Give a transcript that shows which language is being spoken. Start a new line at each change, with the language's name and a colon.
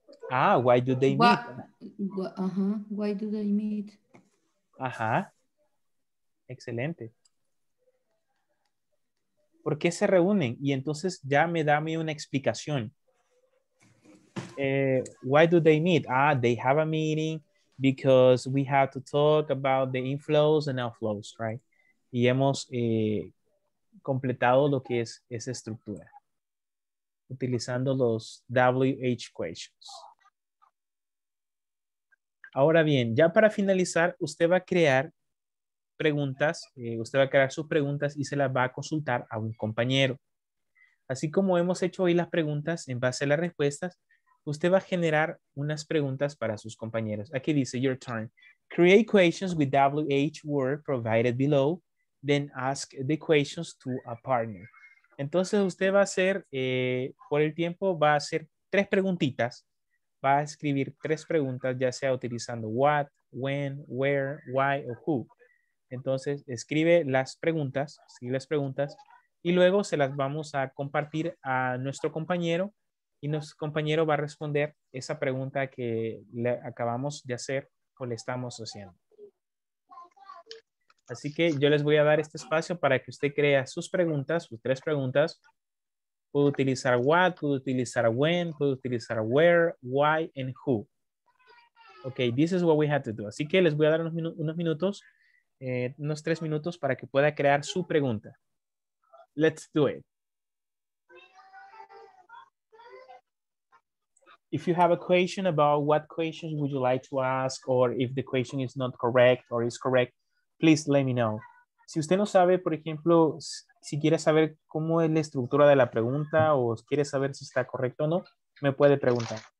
English: Ah, why do they meet? Why do they meet?
Spanish: Ajá. Excelente. ¿Por qué se reúnen? Y entonces ya me da a mí una explicación.
English: Why do they meet? Ah, they have a meeting because we have to talk about the inflows and outflows, right?
Spanish: Y hemos completado lo que es esa estructura utilizando los WH questions. Ahora bien, ya para finalizar, usted va a crear preguntas, usted va a crear sus preguntas y se las va a consultar a un compañero. Así como hemos hecho hoy las preguntas en base a las respuestas, usted va a generar unas preguntas para sus compañeros. Aquí dice,
English: your turn. Create questions with WH word provided below, then ask the questions to a partner.
Spanish: Entonces usted va a hacer, por el tiempo, va a hacer tres preguntitas. Va a escribir tres preguntas, ya sea utilizando what, when, where, why, o who. Entonces escribe las preguntas, y luego se las vamos a compartir a nuestro compañero y nuestro compañero va a responder esa pregunta que le acabamos de hacer o le estamos haciendo. Así que yo les voy a dar este espacio para que usted crea sus preguntas, sus tres preguntas. Puedo utilizar what, puedo utilizar when, puedo utilizar where, why, and who.
English: Ok, this is what we have to do.
Spanish: Así que les voy a dar unos tres minutos para que pueda crear su pregunta.
English: Let's do it. If you have a question about what questions would you like to ask or if the question is not correct or is correct, please let me know.
Spanish: Si usted no sabe, por ejemplo, si quiere saber cómo es la estructura de la pregunta o quiere saber si está correcto o no, me puede preguntar.